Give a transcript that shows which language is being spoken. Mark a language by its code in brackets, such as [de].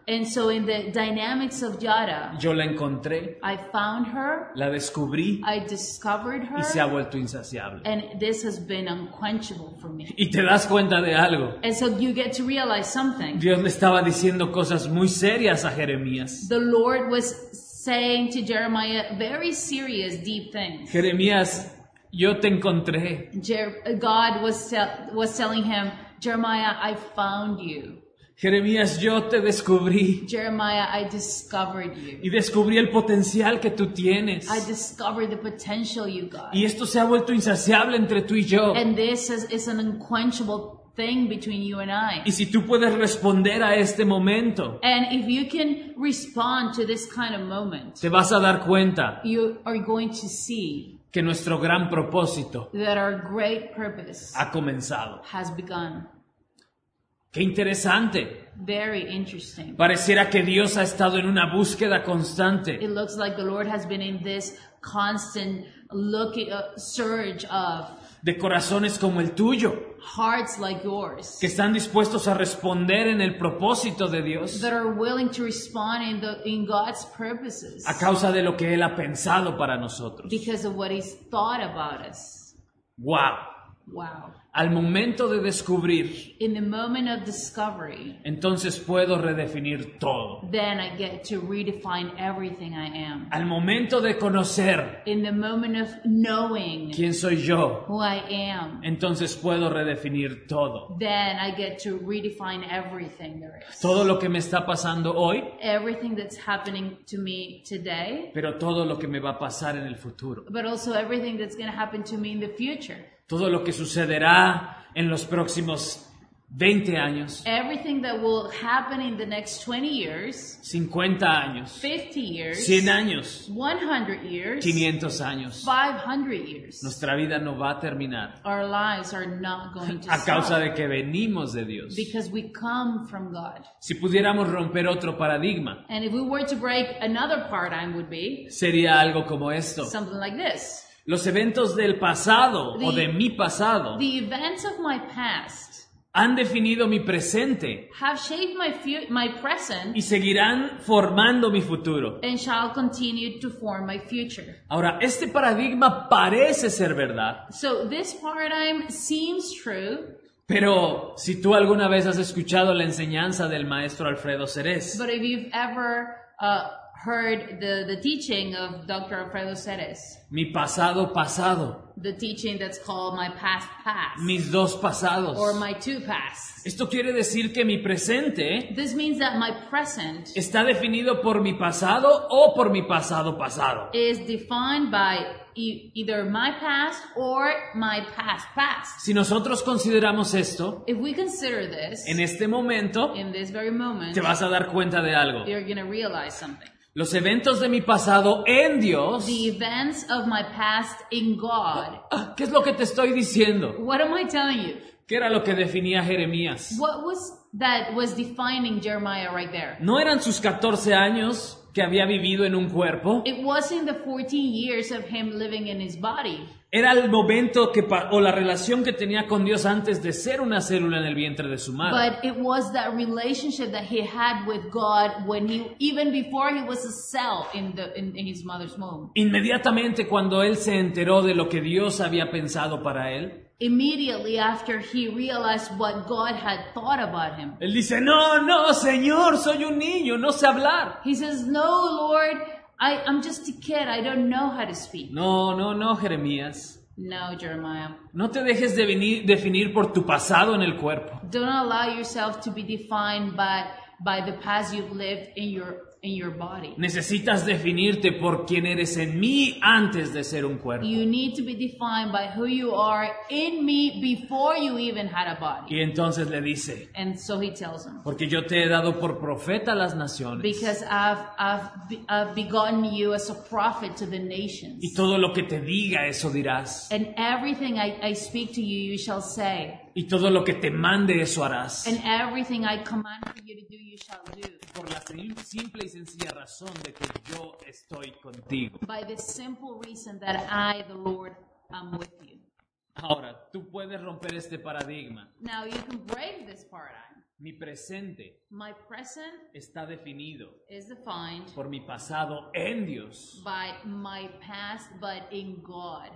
[en] And so in the dynamics of Yara, [es] yo la encontré, [en] I found her, [es] la descubrí, [en] I discovered her, [es] y se ha vuelto insaciable. [en] And this has been unquenchable for me. [es] Y te das cuenta de algo. [en] And so you get to realize something. [es] Dios le estaba diciendo cosas muy serias a Jeremías. [en] The Lord was saying to Jeremiah very serious, deep things. [es] Jeremías, yo te encontré. [en] God was telling him, Jeremiah, I found you. [es] Jeremías, yo te descubrí. [en] Jeremiah, I discovered you. [es] Y descubrí el potencial que tú tienes. [en] I discovered the potential you got. [es] Y esto se ha vuelto insaciable entre tú y yo. [en] And this is an unquenchable thing between you and I. [es] Y si tú puedes responder a este momento. [en] And if you can respond to this kind of moment. [es] Te vas a dar cuenta. [en] You are going to see. [es] Que nuestro gran propósito. [en] That our great purpose. [es] Ha comenzado. [en] Has begun. [es] Qué interesante. [en] Very interesting. [es] Pareciera que Dios ha estado en una búsqueda constante. [en] It looks like the Lord has been in this constant looking, surge of [es] de corazones como el tuyo. [en] Hearts like yours. [es] Que están dispuestos a responder en el propósito de Dios. [en] That are willing to respond in God's purposes. [es] A causa de lo que Él ha pensado para nosotros. [en] Because of what He's thought about us. Wow. Wow. [es] Al momento de descubrir, [en] in the moment of discovery, [es] entonces puedo redefinir todo. [en] Then I get to redefine everything I am. [es] Al momento de conocer, [en] in the moment of knowing, [es] quién soy yo, [en] who I am, [es] entonces puedo redefinir todo. [en] Then I get to redefine everything there is. [es] Todo lo que me está pasando hoy, [en] everything that's happening to me today, [es] pero todo lo que me va a pasar en el futuro, [en] but also everything that's going to happen to me in the future. [es] Todo lo que sucederá en los próximos 20 años. [en] Everything that will happen in the next 20 years. [es] 50 años. [en] 50 years. [es] 100 años. [en] 100 years. [es] 500 años. [en] 500 years. [es] Nuestra vida no va a terminar. [en] Our lives are not going to stop. [es] A causa de que venimos de Dios. [en] Because we come from God. [es] Si pudiéramos romper otro paradigma. [en] And if we were to break another paradigm would be. [es] Sería algo como esto. [en] Something like this. [es] Los eventos del pasado o de mi pasado [en] the events of my past [es] han definido mi presente [en] have shaped my present [es] y seguirán formando mi futuro [en] and shall continue to form my future. [es] Ahora, este paradigma parece ser verdad. [en] So this paradigm seems true. [es] Pero si tú alguna vez has escuchado la enseñanza del maestro Alfredo Cerez. [en] But if you've ever heard the teaching of Dr. Alfredo Cerez. [es] Mi pasado pasado. [en] The teaching that's called my past past. [es] Mis dos pasados. [en] Or my two pasts. [es] Esto quiere decir que mi presente. [en] This means that my present. [es] Está definido por mi pasado o por mi pasado pasado. [en] Is defined by either my past or my past past. [es] Si nosotros consideramos esto. [en] If we consider this. [es] En este momento. [en] In this very moment. [es] Te vas a dar cuenta de algo. [en] You're going to realize something. [es] Los eventos de mi pasado en Dios. [en] The events of my past in God. [es] ¿Qué es lo que te estoy diciendo? [en] What am I telling you? [es] ¿Qué era lo que definía Jeremías? [en] What was that was defining Jeremiah right there? [es] No eran sus 14 años que había vivido en un cuerpo. [en] It wasn't the 14 years of him living in his body. [es] Era el momento que o la relación que tenía con Dios antes de ser una célula en el vientre de su madre. [en] But it was that relationship that he had with God when he even before he was a cell in his mother's womb. [es] Inmediatamente cuando él se enteró de lo que Dios había pensado para él. [en] Immediately after he realized what God had thought about him. [es] Él dice, "No, no, Señor, soy un niño, no sé hablar." [en] He says, "No, Lord, I'm just a kid. I don't know how to speak." [es] No, no, no, Jeremías. [en] No, Jeremiah. [es] No te dejes definir por tu pasado en el cuerpo. [en] Don't allow yourself to be defined by the past you've lived in your in your body. [es] Necesitas definirte por quién eres en mí antes de ser un cuerpo. [en] You need to be defined by who you are in me before you even had a body. [es] Y entonces le dice, [en] and so he tells him, [es] porque yo te he dado por profeta a las naciones. [en] Because I've begotten you as a prophet to the nations. [es] Y todo lo que te diga, eso dirás. [en] And everything I speak to you, you shall say. [es] Y todo lo que te mande, eso harás. [en] And everything I command for you to do, you shall do. [es] Por la simple y sencilla razón de que yo estoy contigo. [en] By the simple reason that I, the Lord, am with you. [es] Ahora, tú puedes romper este paradigma. [en] Now, you can break this paradigm. [es] Mi presente. [en] My present. [es] Está definido. [en] Is defined. [es] Por mi pasado en Dios. [en] By my past, but in God.